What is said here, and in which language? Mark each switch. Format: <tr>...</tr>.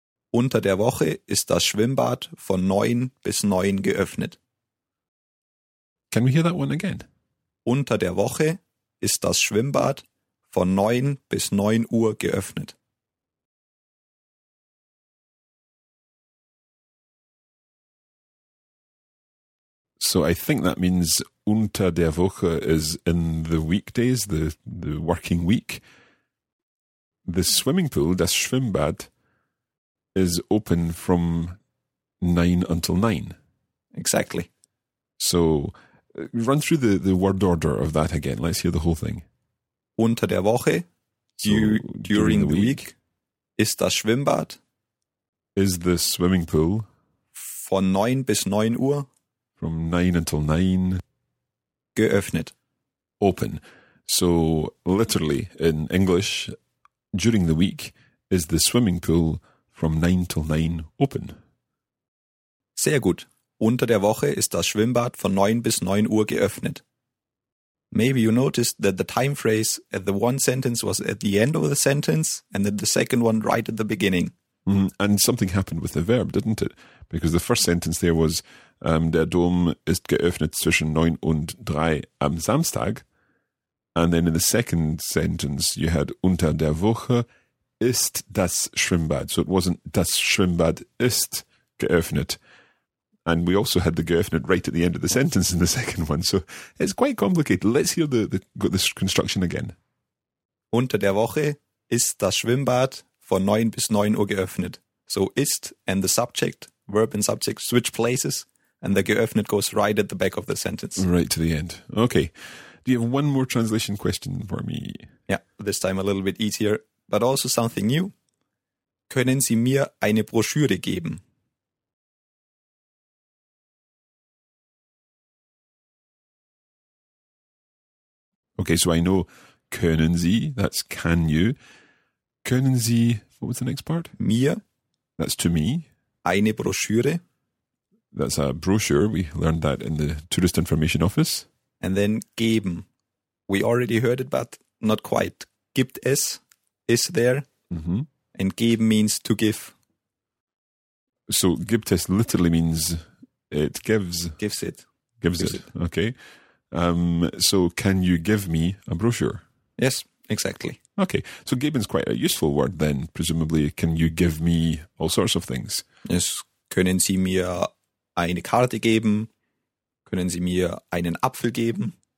<de>Unter der Woche ist das Schwimmbad von 9 bis 9 geöffnet.</de> <en>Can we hear that one again?</en> <de>Unter der Woche ist das Schwimmbad von 9 bis 9 Uhr geöffnet.</de> <en>So I think that means</en> <de>unter der Woche</de> <en>is in the weekdays, the working week. The swimming pool,</en> <de>das Schwimmbad,</de> <en>is open from 9 until 9. Exactly. So run through the word order of that again. Let's hear the whole thing.</en> <de>Unter der Woche,</de> <en>during the week,</en> <de>ist das Schwimmbad.</de> <en>Is the swimming pool.</en> <de>Von 9 bis 9 Uhr.</de> <en>From 9 until 9.</en> <de>Geöffnet.</de> <en>Open. So literally in English, during the week, is the swimming pool from 9 till 9 open.</en> <de>Sehr gut. Unter der Woche ist das Schwimmbad von 9 bis 9 Uhr geöffnet.</de> <en>Maybe you noticed that the time phrase at the one sentence was at the end of the sentence and then the second one right at the beginning. Mm, and something happened with the verb, didn't it? Because the first sentence there was,</en> <de>der Dom ist geöffnet zwischen 9 und 3 am Samstag.</de> <en>And then in the second sentence you had</en> <de>unter der Woche ist das Schwimmbad.</de> <en>So it wasn't</en> <de>das Schwimmbad ist geöffnet.</de> <en>And we also had the geöffnet right at the end of the sentence in the second one. So it's quite complicated. Let's hear the construction again.</en> <de>Unter der Woche ist das Schwimmbad von 9 bis 9 Uhr geöffnet.</de> <en>So ist and the subject, verb and subject, switch places. And the geöffnet goes right at the back of the sentence. Right to the end. Okay. Do you have one more translation question for me? Yeah, this time a little bit easier, but also something new.</en> <de>Können Sie mir eine Broschüre geben?</de> <en>Okay, so I know</en> <de>können Sie,</de> <en>that's can you. Können Sie, what was the next part?</en> <de>Mir.</de> <en>That's to me.</en> <de>Eine Broschüre.</de> <en>That's a brochure. We learned that in the tourist information office. And then geben. We already heard it, but not quite.</en> <de>Gibt es,</de> <en>is there. Mm-hmm. And geben means to give. So</en> <de>gibt es</de> <en>literally means it gives. Gives it. Gives it. Okay. So can you give me a brochure? Yes, exactly. Okay, so geben is quite a useful word then, presumably. Can you give me all sorts of things? Yes,</en> <de>können Sie mir eine Karte geben? Können Sie mir einen Apfel geben?</de>